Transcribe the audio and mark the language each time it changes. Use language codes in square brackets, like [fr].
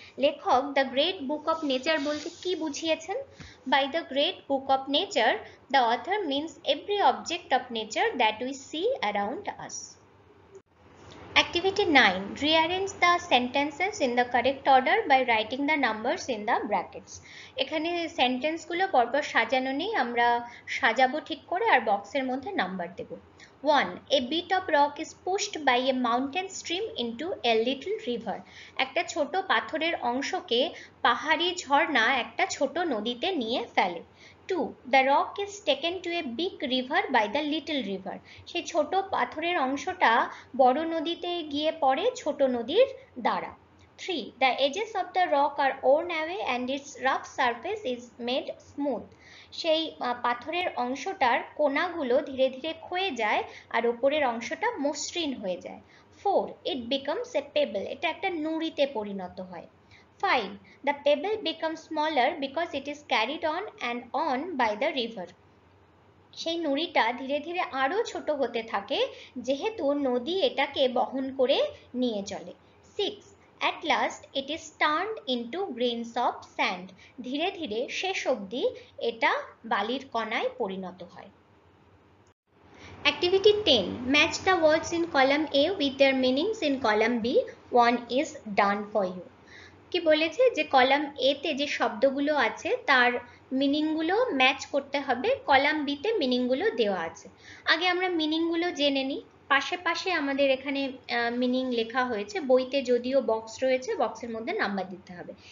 [bn] Lekhok, [en] the great book of nature [bn] bolte ki bujhiyechen? [en] By the great book of nature, the author means every object of nature that we see around us. Activity 9. Rearrange the sentences in the correct order by writing the numbers in the brackets. [bn] এখানে সেন্টেন্সগুলো পরপর সাজানো নেই, আমরা সাজাবো ঠিক করে আর বক্সের মধ্যে number Dev. [en] 1. A bit of rock is pushed by a mountain stream into a little river. [bn] একটা ছোট পাথরের অংশকে পাহাড়ি ঝর্ণা একটা ছোট নদীতে নিয়ে ফেলে। [en] 2. The rock is taken to a big river by the little river. [bn] সেই ছোট পাথরের অংশটা বড় নদীতে গিয়ে পড়ে ছোট নদীর দ্বারা। [en] 3. The edges of the rock are worn away and its rough surface is made smooth. [bn] সেই পাথরের অংশটার কোণাগুলো ধীরে ধীরে ক্ষয়ে যায় আর উপরের অংশটা মসৃণ হয়ে যায়। [en] 4. It becomes a pebble. [bn] এটা একটা নুড়িতে পরিণত হয়। [en] 5. The pebble becomes smaller because it is carried on and on by the river. [bn] সেই নুড়িটা ধীরে ধীরে আরও ছোট হতে থাকে যেহেতু নদী এটাকে বহন করে নিয়ে চলে। 6. [en] At last, it is turned into grains of sand. [bn] ধীরে ধীরে শেষ অবধি এটা বালির কণায় পরিণত হয়। [en] Activity 10. Match the words in column A with their meanings in column B. One is done for you. [bn] কি বলেছে যে কলাম এ তে যে শব্দগুলো আছে তার মিনিংগুলো ম্যাচ করতে হবে কলাম বি তে মিনিংগুলো দেওয়া আছে। আগে আমরা মিনিংগুলো জেনে নিই। পাশে পাশে আমাদের এখানে মিনিং লেখা হয়েছে, বইতে যদিও বক্স রয়েছে, বক্সের মধ্যে নাম্বার দিতে হবে।